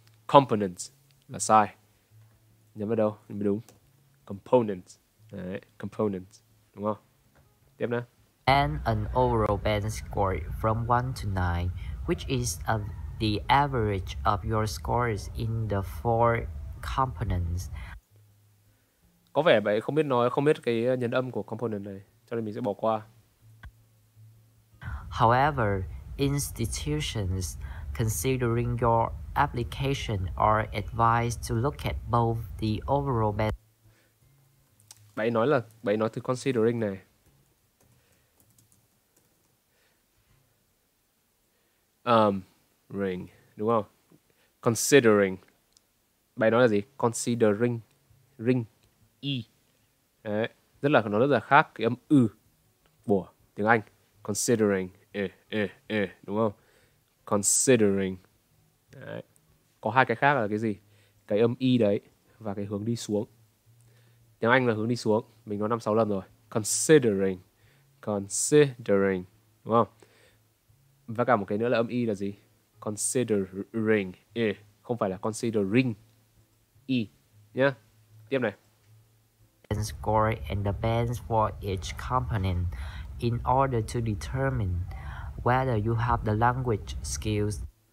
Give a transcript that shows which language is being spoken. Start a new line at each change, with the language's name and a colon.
Vietnamese: Components là sai. Nhấn vào đâu? Nhấn vào đúng. Components. Đấy. Components. Đúng không? Tiếp nè.
English: And an overall band score from 1 to 9, which is the average of your scores in the four components.
Vietnamese: Có vẻ bạn không biết nói, không biết cái nhấn âm của component này, cho nên mình sẽ bỏ qua.
English: However, institutions considering your application are advised to look at both the overall band.
Vietnamese: Bạn nói từ considering này. Ring đúng không? Considering. Bài nói là gì? Considering. Ring. E. Đấy. Rất là, nó rất là khác cái âm ư của tiếng Anh. Considering. Đúng không? Considering. Đấy. Có hai cái khác là cái gì? Cái âm E đấy và cái hướng đi xuống. Tiếng Anh là hướng đi xuống. Mình nói 5-6 lần rồi. Considering. Considering. Đúng không? Và cả một cái nữa là âm y là gì? Considering. Không phải là considering. E. Nhá. Tiếp này.
English: Band score and the bands for each component in order to determine whether you have the language skills.